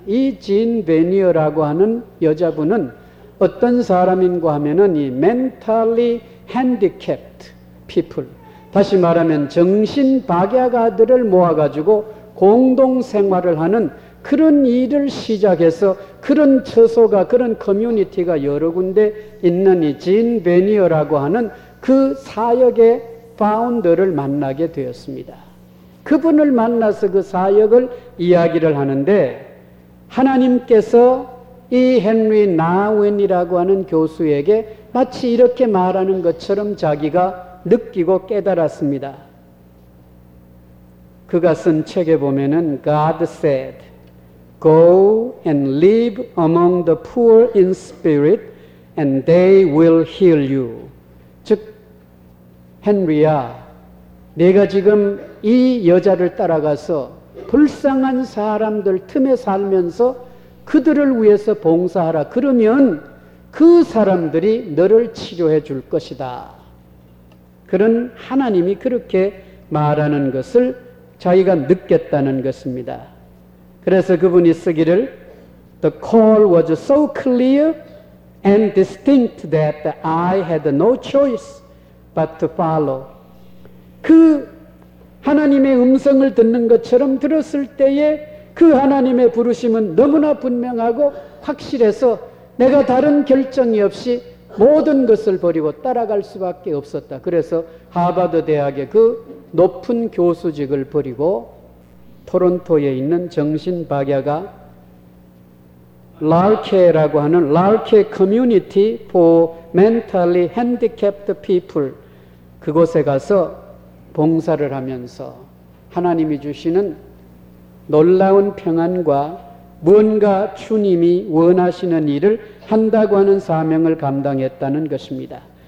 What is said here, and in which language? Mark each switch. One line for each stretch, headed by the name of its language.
Korean: 이 진 베니어라고 하는 여자분은 어떤 사람인가 하면은 이
English: mentally handicapped people,
Korean: 다시 말하면 정신박약아들을 모아가지고 공동생활을 하는 그런 일을 시작해서 그런 처소가 그런 커뮤니티가 여러 군데 있는 이 진 베니어라고 하는 그 사역의 파운더를 만나게 되었습니다. 그분을 만나서 그 사역을 이야기를 하는데 하나님께서 이 헨리 나우엔이라고 하는 교수에게 마치 이렇게 말하는 것처럼 자기가 느끼고 깨달았습니다. 그가 쓴 책에 보면은
English: God said, Go and live among the poor in spirit and they will heal you.
Korean: 즉, 헨리야, 내가 지금 이 여자를 따라가서 불쌍한 사람들 틈에 살면서 그들을 위해서 봉사하라. 그러면 그 사람들이 너를 치료해 줄 것이다. 그런 하나님이 그렇게 말하는 것을 자기가 느꼈다는 것입니다. 그래서 그분이 쓰기를
English: The call was so clear and distinct that I had no choice but to follow.
Korean: 그 하나님의 음성을 듣는 것처럼 들었을 때에 그 하나님의 부르심은 너무나 분명하고 확실해서 내가 다른 결정이 없이 모든 것을 버리고 따라갈 수밖에 없었다. 그래서 하버드 대학의 그 높은 교수직을 버리고 토론토에 있는 정신박약아 랄케라고 하는 랄케 커뮤니티
English: for mentally handicapped people
Korean: 그곳에 가서 봉사를 하면서 하나님이 주시는 놀라운 평안과 뭔가 주님이 원하시는 일을 한다고 하는 사명을 감당했다는 것입니다.